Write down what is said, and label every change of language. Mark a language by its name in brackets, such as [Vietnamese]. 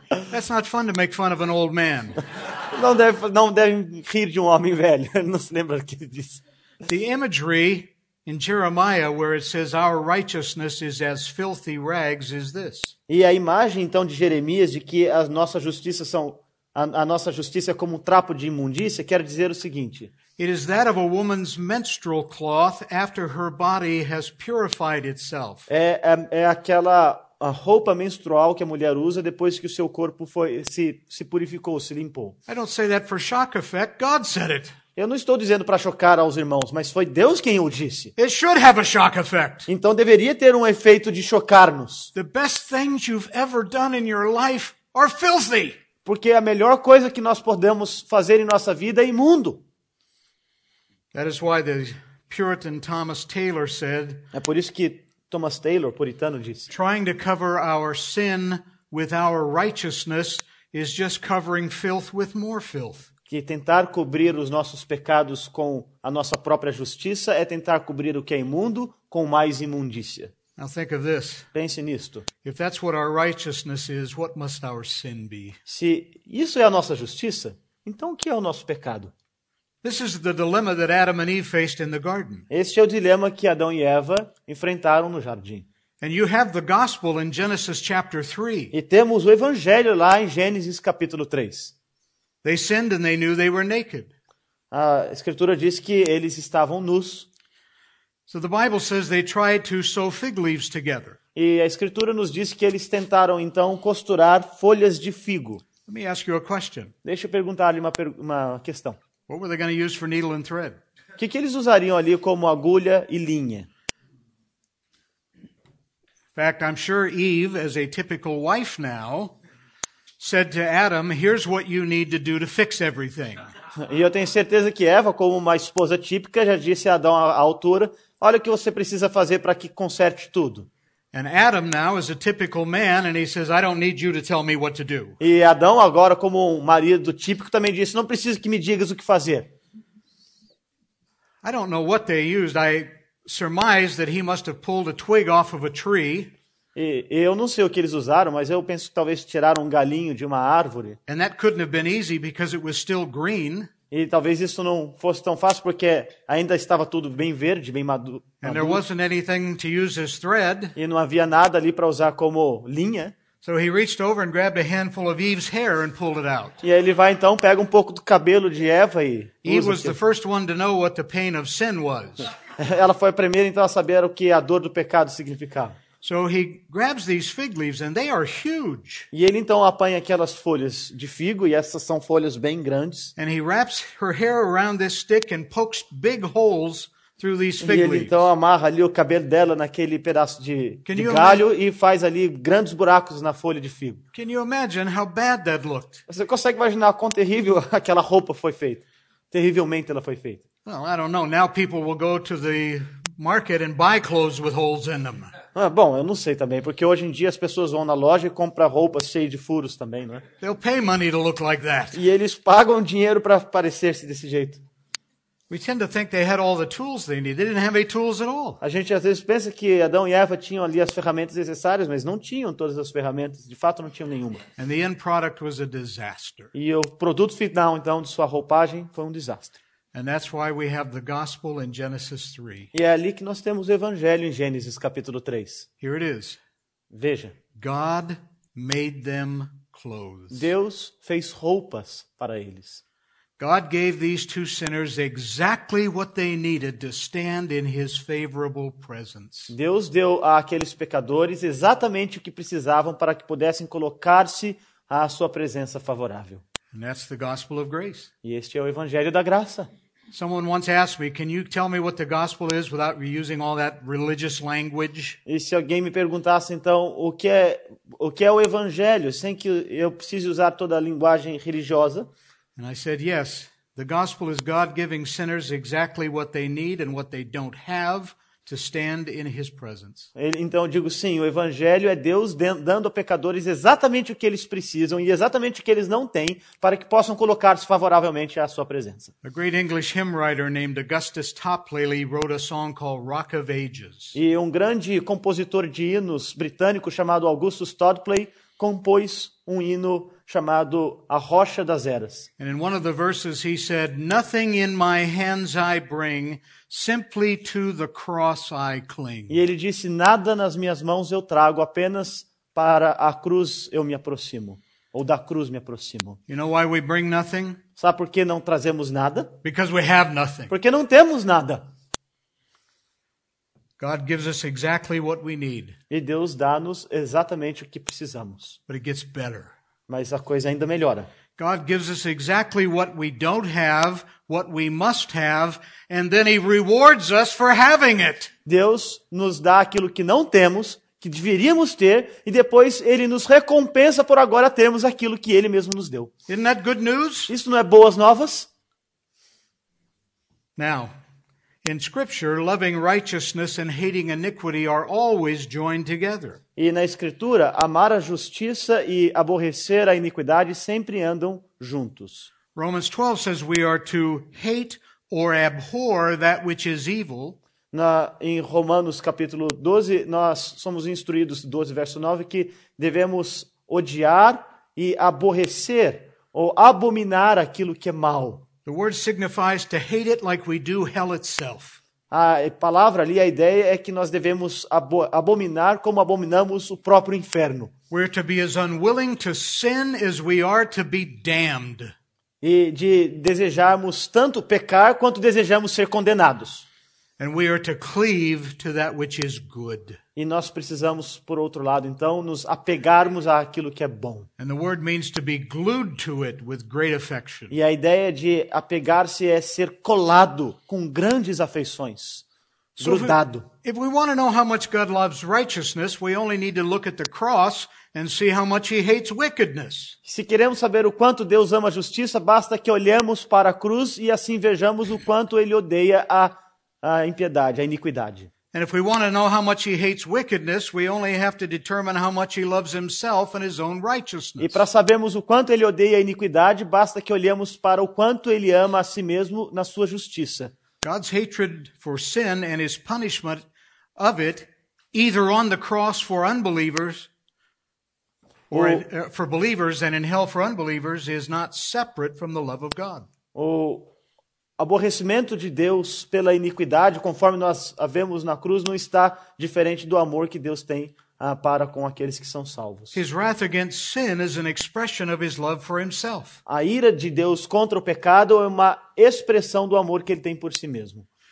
[English] That's not fun to make fun of an old man. [Portuguese] Não deve rir de um homem velho. Não se lembra o que ele disse. [English] The imagery in Jeremiah, where it says our righteousness is as filthy rags, is this. [Portuguese] E a imagem então de Jeremias de que as nossas justiças são a nossa justiça é como um trapo de imundícia, quer dizer o seguinte. [English] It is that of a woman's menstrual cloth after her body has purified itself. [Portuguese] É aquela a roupa menstrual que a mulher usa depois que o seu corpo se purificou, se limpou. [English] I don't say that for shock effect. God said it. [Portuguese] Eu não estou dizendo para chocar aos irmãos, mas foi Deus quem o disse. [English] It should have a shock effect. [Portuguese] Então deveria ter um efeito de chocar-nos. [English] The best things you've ever done in your life are filthy. [Portuguese] Porque a melhor coisa que nós podemos fazer em nossa vida é imundo. [English] That is why the Puritan Thomas Taylor said, [Portuguese] é por isso que Thomas Taylor, puritano, disse, [English] trying to cover our sin with our righteousness is just covering filth with more filth. [Portuguese] Que tentar cobrir os nossos pecados com a nossa própria justiça é tentar cobrir o que é imundo com mais imundícia. [English] Now think of this. [Portuguese] Pense nisto. [English] If that's what our righteousness is, what must our sin be? [Portuguese] Se isso é a nossa justiça, então o que é o nosso pecado? [English] This is the dilemma that Adam and Eve faced in the garden. [Portuguese] Este é o dilema que Adão e Eva enfrentaram no jardim. [English] And you have the gospel in Genesis chapter 3. [Portuguese] E temos o evangelho lá em Gênesis capítulo 3. [English] They sinned and they knew they were naked. [Portuguese] A Escritura diz que eles estavam nus. [English] So the Bible says they tried to sew fig leaves together. [Portuguese] E a Escritura nos diz que eles tentaram então costurar folhas de figo. [English] Let me ask you a question. [Portuguese] Deixa eu perguntar-lhe uma questão. [English] What were they going to use for needle and thread? [Portuguese] Que eles usariam ali como agulha e linha? [English] In fact, I'm sure Eve, as a typical wife now, said to Adam, "Here's what you need to do to fix everything." [Portuguese] E eu tenho certeza que Eva, como uma esposa típica, já disse a Adão à altura, olha o que você precisa fazer para que conserte tudo. E Adão agora, como um marido típico, também disse, não preciso que me digas o que fazer. [English] I don't know what they used. I surmise that he must have pulled a twig off of a tree. [Portuguese] E eu não sei o que eles usaram, mas eu penso que talvez tiraram um galinho de uma árvore. [English] And that couldn't have been easy because it was still green. [Portuguese] E talvez isso não fosse tão fácil porque ainda estava tudo bem verde, bem maduro. [English] And there wasn't anything to use as thread. [Portuguese] E não havia nada ali para usar como linha. [English] So he reached over and grabbed a handful of Eve's hair and pulled it out. [Portuguese] E aí ele vai então, pega um pouco do cabelo de Eva e usa. [English] Eve was the first one to know what the pain of sin was. [Portuguese] Ela foi a primeira então a saber o que a dor do pecado significava. [English] So he grabs these fig leaves and they are huge. [Portuguese] E ele então apanha aquelas folhas de figo e essas são folhas bem grandes. [English] And he wraps her hair around this stick and pokes big holes through these fig leaves. [Portuguese] E ele então amarra ali o cabelo dela naquele pedaço de galho e faz ali grandes buracos na folha de figo. [English] Can you imagine how bad that looked? [Portuguese] Você consegue imaginar quão terrível aquela roupa foi feita? Terrivelmente ela foi feita. [English] Well, I don't know. Now people will go to the market and buy clothes with holes in them. [Portuguese] Ah, bom, eu não sei também, porque hoje em dia as pessoas vão na loja e compram roupas cheias de furos também, não é? [English] They'll pay money to look like that. [Portuguese] E eles pagam dinheiro para parecer-se desse jeito. [English] We tend to think they had all the tools they needed. They didn't have any tools at all. [Portuguese] A gente às vezes pensa que Adão e Eva tinham ali as ferramentas necessárias, mas não tinham todas as ferramentas. De fato, não tinham nenhuma. [English] And the end product was a disaster. [Portuguese] E o produto final, então, de sua roupagem foi um desastre. [English] And that's why we have the gospel in Genesis 3. [Portuguese] E é ali que nós temos o evangelho em Gênesis capítulo 3. [English] Here it is. [Portuguese] Veja. [English] God made them clothes. [Portuguese] Deus fez roupas para eles. [English] God gave these two sinners exactly what they needed to stand in his favorable presence. [Portuguese] Deus deu àqueles pecadores exatamente o que precisavam para que pudessem colocar-se à sua presença favorável. [English] And that's the gospel of grace. [Portuguese] E este é o evangelho da graça. [English] Someone once asked me, "Can you tell me what the gospel is without reusing all that religious language?" [Portuguese] E se alguém me perguntasse então o que é o evangelho sem que eu precise usar toda a linguagem religiosa? [English] And I said, "Yes, the gospel is God giving sinners exactly what they need and what they don't have to stand in His presence." [Portuguese] Então eu digo sim, o evangelho é Deus dando a pecadores exatamente o que eles precisam e exatamente o que eles não têm para que possam colocar-se favoravelmente à sua presença. [English] A great English hymn writer named Augustus Toplady wrote a song called "Rock of Ages." [Portuguese] E um grande compositor de hinos britânico chamado Augustus Toplady compôs um hino chamado "A Rocha das Eras." [English] And in one of the verses he said, "Nothing in my hands I bring, simply to the cross I cling." [Portuguese] E ele disse, "Nada nas minhas mãos eu trago, apenas para a cruz eu me aproximo, ou da cruz me aproximo." [English] You know why we bring nothing? [Portuguese] Sabe por que não trazemos nada? [English] Because we have nothing. [Portuguese] Porque não temos nada. [English] God gives us exactly what we need. [Portuguese] E Deus dá-nos exatamente o que precisamos. [English] But it gets better. [Portuguese] Mas a coisa ainda melhora. [English] God gives us exactly what we don't have, what we must have, and then He rewards us for having it. [Portuguese] Deus nos dá aquilo que não temos, que deveríamos ter, e depois Ele nos recompensa por agora termos aquilo que Ele mesmo nos deu. [English] Isn't that good news? [Portuguese] Isso não é boas novas? [English] Now, in Scripture, loving righteousness and hating iniquity are always joined together. [Portuguese] E na Escritura, amar a justiça e aborrecer a iniquidade sempre andam juntos. [English] Romans 12 says we are to hate or abhor that which is evil. [Portuguese] Em Romanos capítulo 12, nós somos instruídos, 12 verso 9, que devemos odiar e aborrecer ou abominar aquilo que é mal. [English] The word signifies to hate it like we do hell itself. [Portuguese] A palavra ali, a ideia é que nós devemos abominar como abominamos o próprio inferno. [English] We're to be as unwilling to sin as we are to be damned. [Portuguese] E de desejarmos tanto pecar quanto desejamos ser condenados. [English] And we are to cleave to that which is good. [Portuguese] E nós precisamos, por outro lado, então, nos apegarmos àquilo que é bom. [English] And the word means to be glued to it with great affection. [Portuguese] E a ideia de apegar-se é ser colado com grandes afeições, grudado. [English] If we want to know how much God loves righteousness, we only need to look at the cross and see how much He hates wickedness. [Portuguese] Se queremos saber o quanto Deus ama a justiça, basta que olhemos para a cruz e assim vejamos o quanto Ele odeia a impiedade, a iniquidade. [English] And if we want to know how much He hates wickedness, we only have to determine how much He loves Himself and His own righteousness. [Portuguese] E para sabermos o quanto Ele odeia a iniquidade, basta que olhemos para o quanto Ele ama a si mesmo na sua justiça. [English] God's hatred for sin and His punishment of it, either on the cross for unbelievers, or for believers and in hell for unbelievers, is not separate from the love of God. [Portuguese] Aborrecimento de Deus pela iniquidade, conforme nós a vemos na cruz, não está diferente do amor que Deus tem para com aqueles que são salvos. [English] His wrath against sin is an expression of His love for Himself. [Portuguese] A ira de Deus contra o pecado é uma expressão do amor que Ele tem por si mesmo.